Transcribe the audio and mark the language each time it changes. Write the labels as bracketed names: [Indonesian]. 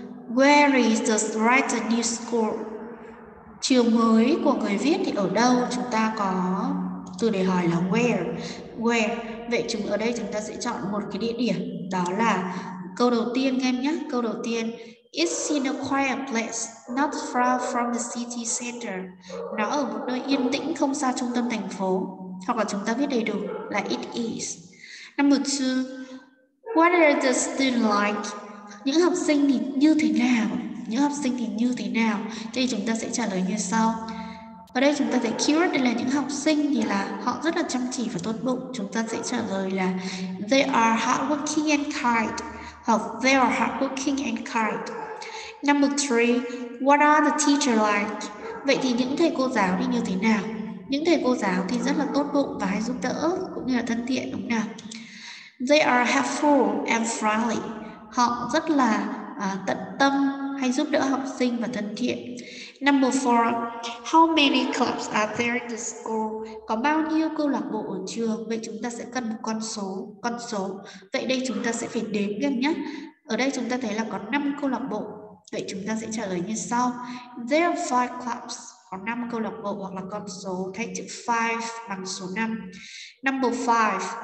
[English] Where is the right new school? [Vietnamese] Trường mới của người viết thì ở đâu? Chúng ta có từ để hỏi là where. Where. Vậy chúng ở đây chúng ta sẽ chọn một cái địa điểm, đó là câu đầu tiên nghe em nhé, câu đầu tiên. [English] It's in a quiet place, not far from the city center. [Vietnamese] Nó ở một nơi yên tĩnh không xa trung tâm thành phố. Hoặc là chúng ta viết đầy đủ là [English] it is. Number 2. What are the students like? [Vietnamese] Những học sinh thì như thế nào? Những học sinh thì như thế nào? Thì chúng ta sẽ trả lời như sau. Ở đây chúng ta thấy keyword là những học sinh thì là họ rất là chăm chỉ và tốt bụng. Chúng ta sẽ trả lời là [English] they are hardworking and kind. Of they are hardworking and kind. Number 3. What are the teachers like? [Vietnamese] Vậy thì những thầy cô giáo thì như thế nào? Những thầy cô giáo thì rất là tốt bụng và hay giúp đỡ cũng như là thân thiện, đúng không nào? [English] They are helpful and friendly. [Vietnamese] Họ rất là tận tâm, hay giúp đỡ học sinh và thân thiện. [English] Number 4. How many clubs are there in the school? [Vietnamese] Có bao nhiêu câu lạc bộ ở trường? Vậy chúng ta sẽ cần một con số. Vậy đây chúng ta sẽ phải đếm nhé nhé. Ở đây chúng ta thấy là có 5 câu lạc bộ. Vậy chúng ta sẽ trả lời như sau. [English] There are 5 clubs. [Vietnamese] Có 5 câu lạc bộ hoặc là con số. Thay chữ 5 bằng số 5. [English] Number 5.